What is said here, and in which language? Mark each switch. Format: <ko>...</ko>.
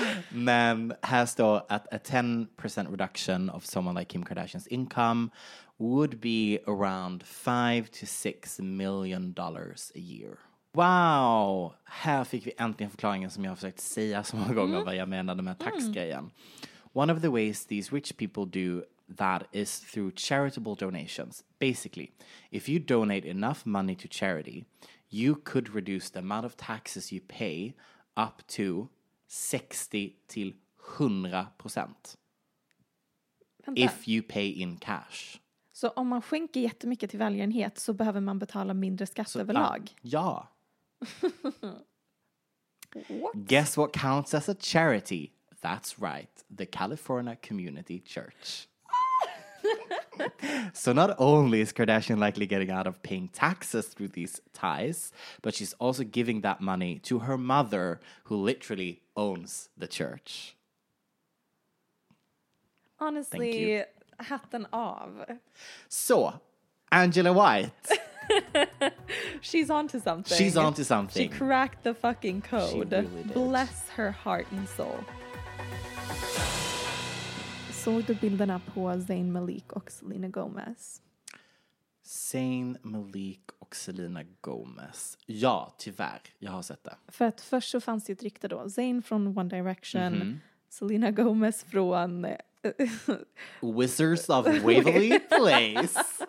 <sv>Men här står att</sv> <en>a 10% reduction of someone like Kim Kardashian's income would be around $5 to $6 million a year.</en> <sv>Wow, här fick vi äntligen förklaringen som jag har försökt säga så många gånger vad jag menade med taxgrejen.</sv> <en>One of the ways these rich people do that is through charitable donations. Basically, if you donate enough money to charity, you could reduce the amount of taxes you pay up to 60-100%.</en> <sv>Vänta.</sv> <en>If you pay in cash.</en> <sv>Så om man skänker jättemycket till välgörenhet så behöver man betala mindre skatt så, överlag? Ja.</sv> <en>What? Guess what counts as a charity? That's right. The California Community Church. So not only is Kardashian likely getting out of paying taxes through these ties, but she's also giving that money to her mother, who literally owns the church.</en> <sv>Honestly, hatten av.</sv> <en>So, Angela White. She's onto something. She's onto something. She cracked the fucking code. She really did. Bless her heart and soul.</en> <sv>Såg du bilderna på Zayn Malik och Selena Gomez? Zayn Malik och Selena Gomez. Ja, tyvärr. Jag har sett det. För att först så fanns det ett rykte då. Zayn från One Direction. Mm-hmm. Selena Gomez från... Wizards of Waverly Place.</sv>